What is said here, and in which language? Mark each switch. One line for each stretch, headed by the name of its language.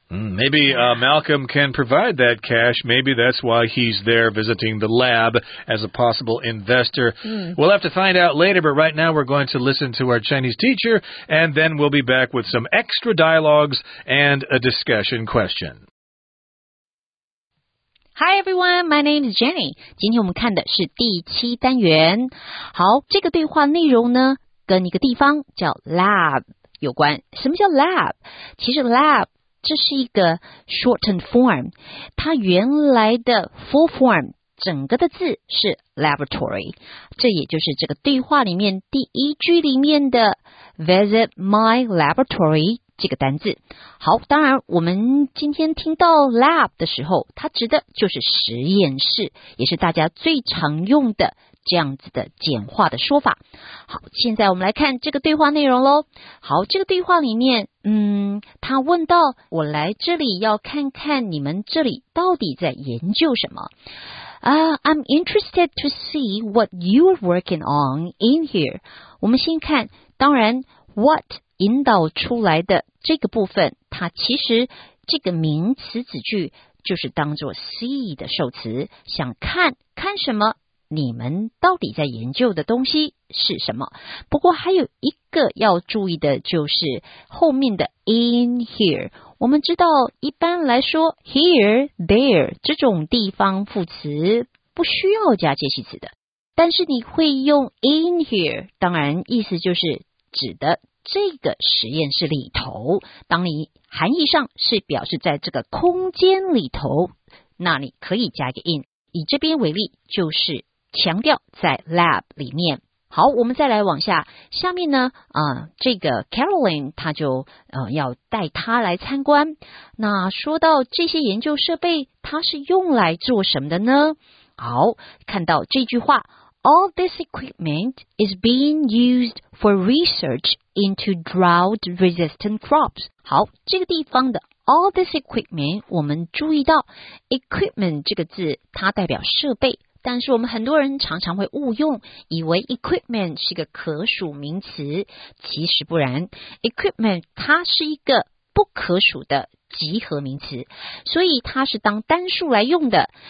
English: Maybe Malcolm can provide that cash. Maybe that's why he's there visiting the lab as a possible investor. We'll have to find out later, but right now we're going to listen to our Chinese teacher, and then we'll be back with some extra dialogues and a discussion question. Hi everyone, my name is Jenny.
Chinese: 今天我们看的是第七单元。好，这个对话内容呢，跟一个地方叫 lab 有关。什么叫 lab？其实 lab 这是一个 shortened form， 它原来的 full form 整个的字是 laboratory， 这也就是这个对话里面第一句里面的
English: visit my laboratory。
Chinese: 这个单字。好，当然我们今天听到 lab 的时候，它指的就是实验室，也是大家最常用的这样子的简化的说法。好，现在我们来看这个对话内容咯。好，这个对话里面他问到，我来这里要看看你们这里到底在研究什么。
English: I'm interested to see what you're working on in here.
Chinese: 我们先看，当然 what引导出来的这个部分，它其实这个名词子句就是当作 see 的受词，想看看什么，你们到底在研究的东西是什么。不过还有一个要注意的，就是后面的 in here。我们知道一般来说 here there 这种地方副词不需要加介系词的，但是你会用 in here， 当然意思就是指的这个实验室里头，当你含义上是表示在这个空间里头，那你可以加一个 in。以这边为例，就是强调在 lab 里面。好，我们再来往下，下面呢这个 Caroline 她就要带她来参观。那说到这些研究设备，它是用来做什么的呢？好，看到这句话
English: All this equipment is being used for research into drought-resistant crops.
Chinese: 好，这个地方的
English: all this equipment,
Chinese: 我们注意到 equipment 这个字它代表设备，但是我们很多人常常会误用，以为 equipment 是一个可数名词，其实不然， equipment 它是一个不可数的集合名词，所以它是当单数来用的。